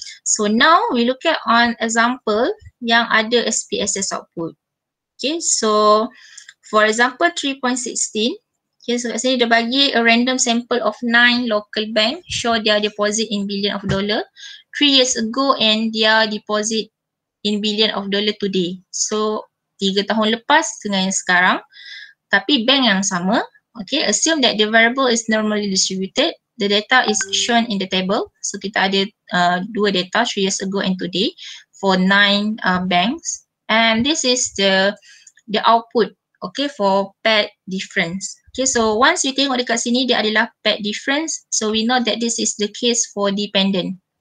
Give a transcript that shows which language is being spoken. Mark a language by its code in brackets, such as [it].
[en] So now we look at on example [ms] yang ada [en] SPSS output. Okay, so for example 3.16. Okay, so [ms] kat sini dia bagi [en] a random sample of 9 local bank show their deposit in billion of dollar 3 years ago and their deposit in billion of dollar today. [ms] So 3 tahun lepas dengan yang sekarang, tapi bank yang sama. [en] Okay, assume that the variable is normally distributed. The data is shown in the table. So [ms] kita ada dua data [en] 3 years ago and today for 9 banks. And this is the output, okay, for paired difference. Okay, so once you [ms] tengok dekat sini, dia adalah [en] paired difference. So we know that this is the case for dependent.